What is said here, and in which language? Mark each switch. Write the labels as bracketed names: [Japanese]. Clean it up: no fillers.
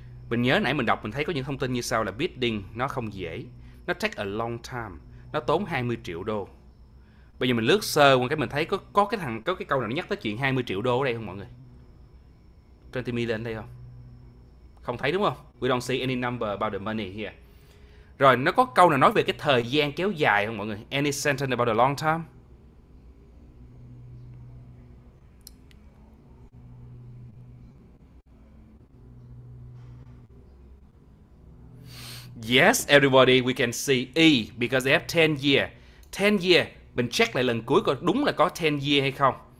[Vietnamese] Mình nhớ nãy mình đọc mình thấy có những thông tin như sau là bidding nó không dễ. Nó take a long time. Nó tốn 20 triệu đô. Bây giờ mình lướt sơ qua cái mình thấy có cái câu nào nó nhắc tới chuyện 20 triệu đô ở đây không mọi người? 20 million đây không? Không thấy đúng không? [English] We don't see any number about the money here. [Vietnamese] Rồi nó có câu nào nói về cái thời gian kéo dài không mọi người? [English] Any sentence about the long time? Yes, everybody, we can see E because they have 10 year. [Vietnamese] 10 year, mình check lại lần cuối coi đúng là có 10 year hay không.